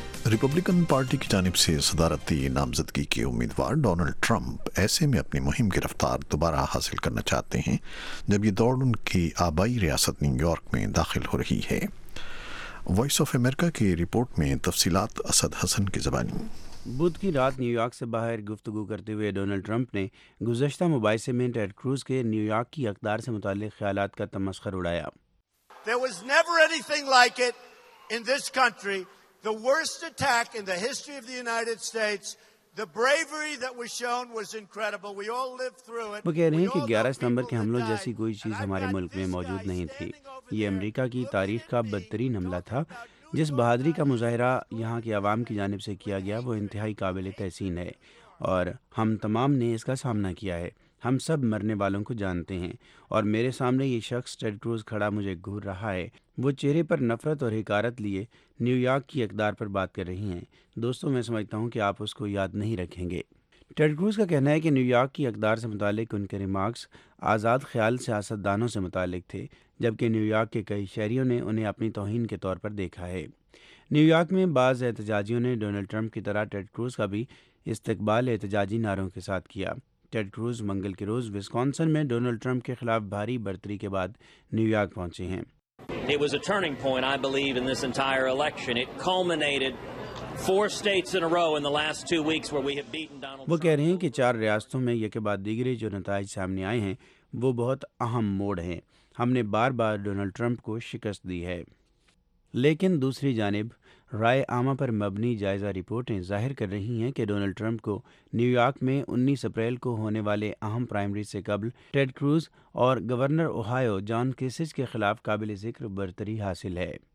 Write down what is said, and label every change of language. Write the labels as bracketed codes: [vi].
[ur] Republican party کی جانب سے صدارتی نامزدگی کے امیدوار ڈونلڈ ٹرمپ ایسے میں اپنی مہم کی رفتار دوبارہ حاصل کرنا چاہتے ہیں جب یہ دوڑ ان کی آبائی ریاست نیو یارک میں داخل ہو رہی ہے۔ وائس آف امریکہ کی رپورٹ میں تفصیلات اسد حسن کی زبانی۔ بدھ کی رات نیو یارک سے باہر گفتگو کرتے ہوئے ڈونلڈ ٹرمپ نے گزشتہ مباحثے میں ٹیڈ کروز کے نیو یارک کی اقدار سے متعلق خیالات کا تمسخر اڑایا۔ [en] There was never anything like it in this country. The worst attack in the history of the United States. The bravery that was shown was incredible. We all lived through it. [ur] وہ کہہ رہے ہیں کہ 11 ستمبر کے حملوں جیسی کوئی چیز ہمارے ملک میں موجود نہیں تھی۔ یہ امریکہ کی تاریخ کا بدترین حملہ تھا۔ جس بہادری کا مظاہرہ یہاں کے عوام کی جانب سے کیا گیا وہ انتہائی قابل تحسین ہے، اور ہم تمام نے اس کا سامنا کیا ہے۔ ہم سب مرنے والوں کو جانتے ہیں، اور میرے سامنے یہ شخص ٹیڈ کروز کھڑا مجھے گھور رہا ہے۔ وہ چہرے پر نفرت اور حقارت لیے نیو یارک کی اقدار پر بات کر رہی ہیں۔ دوستوں، میں سمجھتا ہوں کہ آپ اس کو یاد نہیں رکھیں گے۔ ٹیڈ کروز کا کہنا ہے کہ نیو یارک کی اقدار سے متعلق ان کے ریمارکس آزاد خیال سیاستدانوں سے متعلق تھے، جبکہ نیو یارک کے کئی شہریوں نے انہیں اپنی توہین کے طور پر دیکھا ہے۔ نیو یارک میں بعض احتجاجیوں نے ڈونلڈ ٹرمپ کی طرح ٹیڈ کروز کا بھی استقبال احتجاجی نعروں کے ساتھ کیا۔ ٹیڈ کروز منگل کے روز وسکانسن میں ڈونلڈ ٹرمپ کے خلاف بھاری برتری کے بعد نیو یارک پہنچے ہیں۔ [en] It was a turning point, I believe, in this entire election. It culminated four states in a row in the last two weeks where we have beaten Donald Trump. [ur] وہ کہہ رہے ہیں کہ چار ریاستوں میں یہ کے بعد دیگرے جو نتائج سامنے آئے ہیں وہ بہت اہم موڑ ہیں۔ ہم نے بار بار ڈونلڈ ٹرمپ کو شکست دی ہے۔ لیکن دوسری جانب رائے عامہ پر مبنی جائزہ رپورٹیں ظاہر کر رہی ہیں کہ ڈونلڈ ٹرمپ کو نیو یارک میں 19 اپریل کو ہونے والے اہم پرائمری سے قبل ٹیڈ کروز اور گورنر اوہایو جان کیسچ کے خلاف قابل ذکر برتری حاصل ہے۔